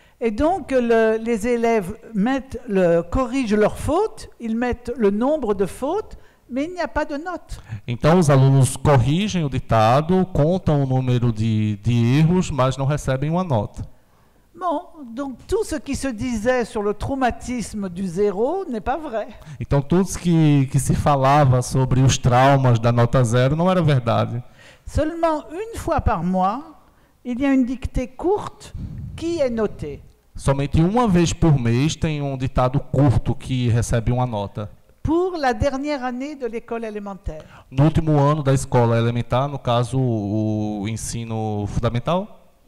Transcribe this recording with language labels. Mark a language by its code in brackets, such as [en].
[fr] Et donc les élèves corrigent leurs fautes, ils mettent le nombre de fautes. [pt] Mas não há [fr] pas de note. [pt] Então os alunos corrigem o ditado, contam o número de erros, mas não recebem uma nota. [fr] Bom, donc tout ce qui se disait sur le traumatisme du zéro n'est pas vrai. [pt] Então tudo que se falava sobre os traumas da nota zero não era verdade. [fr] Seulement une fois par mois, il y a une dictée courte qui est notée. [pt] Somente uma vez por mês tem um ditado curto que recebe uma nota. [fr] Pour la dernière année de l'école élémentaire. [pt] No último ano da escola elementar, no caso, o ensino fundamental?